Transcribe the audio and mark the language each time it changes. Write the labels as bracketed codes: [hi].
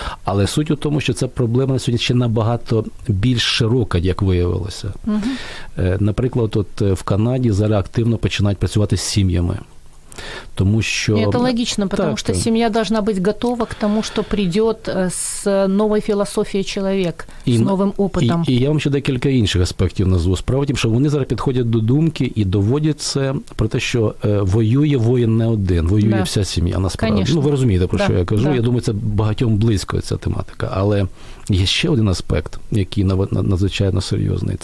[uk] Але суть у тому, що ця проблема сьогодні ще набагато більш широка, як виявилося. Наприклад, от в Канаді зараз активно починають працювати з сім'ями. Тому що... [ru] Это логично, потому так, что [uk] сім'я [ru] должна быть готова к тому, что придет с новой [uk] філософією [ru] человек, і, с новым опытом. [uk] І я вам ще декілька інших аспектів назву. Справа тим, що вони зараз підходять до думки і доводять це про те, що воює воїн не один, воює вся сім'я насправді. [ru] Конечно. [uk] Ну, ви розумієте, про що я кажу. Я думаю, це багатьом близько ця тематика. Але є ще один аспект, який надзвичайно серйозний.